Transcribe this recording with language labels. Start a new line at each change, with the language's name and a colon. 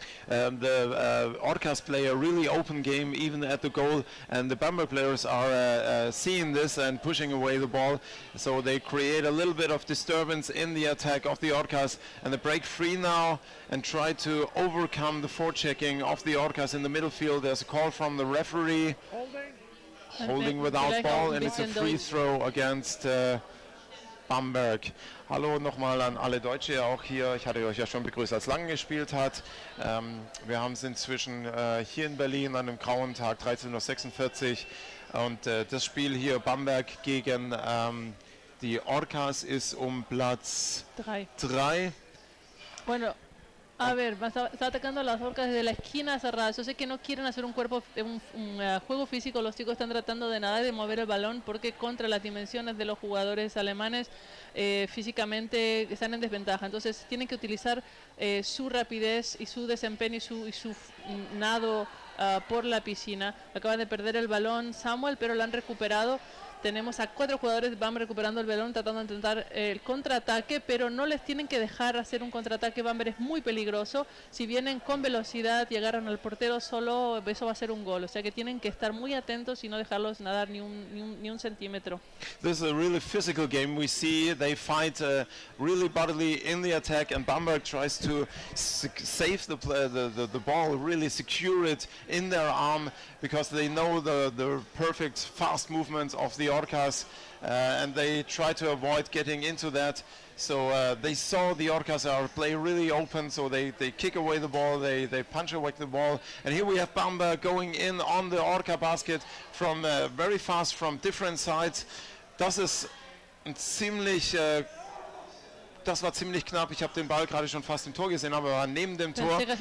English: The Orcas play a really open game even at the goal, and the Bamberg players are seeing this and pushing away the ball, so they create a little bit of disturbance in the attack of the Orcas, and they break free now and try to overcome the forechecking of the Orcas in the middle field. There's a call from the referee. Holding without ball, and it's a free throw against Bamberg.
German: Hallo nochmal an alle Deutsche auch hier. Ich hatte euch ja schon begrüßt, als Lang gespielt hat. Wir haben es inzwischen hier in Berlin an einem grauen Tag, 13.46 Uhr. Und das Spiel hier Bamberg gegen die Orcas ist um Platz 3.
Spanish: Bueno. A ver, está atacando a las Orcas desde la esquina cerrada. Yo sé que no quieren hacer un juego físico. Los chicos están tratando de nadar y de mover el balón, porque contra las dimensiones de los jugadores alemanes, físicamente están en desventaja. Entonces tienen que utilizar su rapidez y su desempeño y su nado por la piscina. Acaban de perder el balón Samuel, pero lo han recuperado. Tenemos a cuatro jugadores, van recuperando el balón, tratando de intentar el contraataque, pero no les tienen que dejar hacer un contraataque. Bamberg es muy peligroso. Si vienen con velocidad y agarran al portero solo, eso va a ser un gol. O sea que tienen que estar muy atentos y no dejarlos nadar ni un centímetro.
English: This is a really physical game. We see they fight really bodily in the attack, and Bamberg tries to save the ball, really secure it in their arm, because they know the perfect fast movements of the Orcas, and they try to avoid getting into that. So they saw the Orcas are play really open, so they kick away the ball, they punch away the ball, and here we have Bamberg going in on the Orca basket from very fast from different sides.
German: Das ist ziemlich das war ziemlich knapp. Ich habe den Ball gerade schon fast im Tor gesehen, aber neben dem Tor.